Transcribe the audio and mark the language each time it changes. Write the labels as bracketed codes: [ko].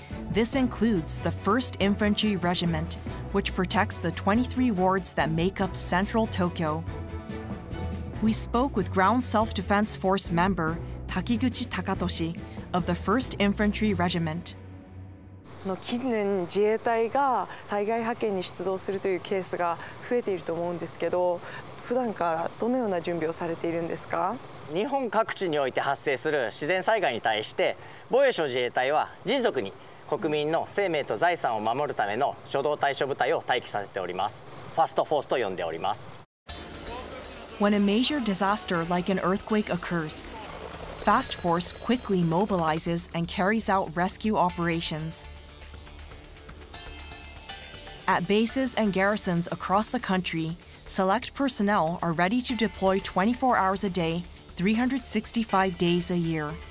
[en] This includes the 1st Infantry Regiment, which protects the 23 wards that make up central Tokyo. We spoke with Ground Self-Defense Force member Takiguchi Takatoshi of the 1st Infantry Regiment. [ja] の近年自衛隊が災害派遣に出動するというケースが増えていると思うんですけど、普段からどのような準備をされているんですか？日本各地において発生する自然災害に対して、防衛省自衛隊は迅速に国民の生命と財産を守るための初動対処部隊を待機させております。ファストフォースと呼んでおります。 [en] When a major disaster like an earthquake occurs, Fast Force quickly mobilizes and carries out rescue operations. At bases and garrisons across the country, select personnel are ready to deploy 24 hours a day, 365 days a year.